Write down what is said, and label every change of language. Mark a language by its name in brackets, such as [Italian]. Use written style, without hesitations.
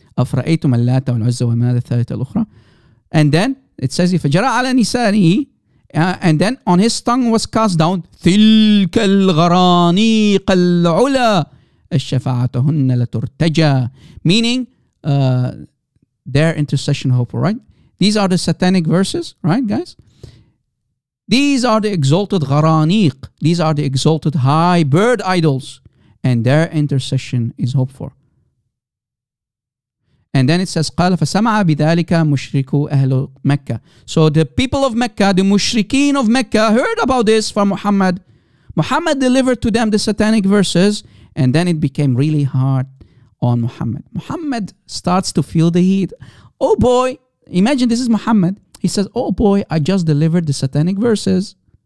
[Arabic] أفرأيتم اللات والعزة والمنات الثالثة الأخرى. [English] And then it says, [Arabic] فجرى على نسانه, [English] and then on his tongue was cast down, [Arabic] تلك الغرانيق العلا الشفاعتهن لترتجى. [English] Meaning their intercession hope, right? These are the satanic verses, right, guys? These are the exalted gharaniq. These are the exalted high bird idols. And their intercession is hoped for. And then it says, [Arabic] قَالَ فَسَمَعَ بِذَلِكَ مُشْرِكُوا أَهْلُ مَكَّةِ. [English] So the people of Mecca, the mushrikeen of Mecca, heard about this from Muhammad. Muhammad delivered to them the satanic verses. And then it became really hard on Muhammad. Muhammad starts to feel the heat. Oh boy! Imagine this is Muhammad. He says, oh boy, I just delivered the satanic verses.